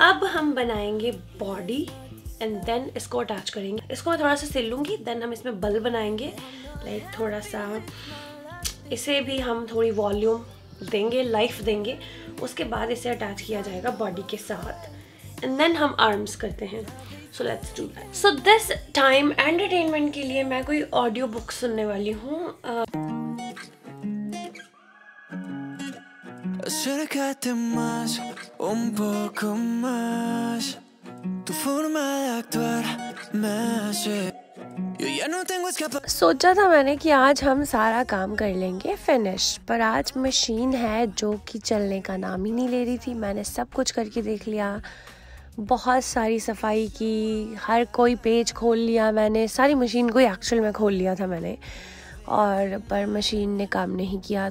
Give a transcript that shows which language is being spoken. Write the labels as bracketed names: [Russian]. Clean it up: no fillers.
[Hindi] अब हम बनाएंगे बॉडी एंड देन इसको अटैच करेंगे, इसको मैं थोड़ा सा सिल लूँगी, देन हम इसमें बल्ब बनाएंगे लाइक थोड़ा सा, इसे भी हम थोड़ी वॉल्यूम देंगे, लाइफ देंगे, उसके बाद इसे अटैच किया जाएगा बॉडी के साथ एंड देन हम आर्म्स करते हैं. [English] So let's do that. So this time [Hindi] entertainment के लिए मैं कोई ऑडियो बुक सुनने वाली हूँ. [Spanish] Acércate más, un poco más. Tu forma de actuar me hace. Yo ya no tengo escapa. [Hindi] सोचा था मैंने कि आज हम सारा काम कर लेंगे फिनिश, पर आज मशीन है जो कि चलने का नाम ही नहीं ले रही थी. मैंने सब कुछ करके देख लिया, बहुत सारी सफाई की, हर कोई पेज खोल लिया मैंने, सारी मशीन को एक्चुअल में खोल लिया था मैंने, और पर मशीन ने काम नहीं किया.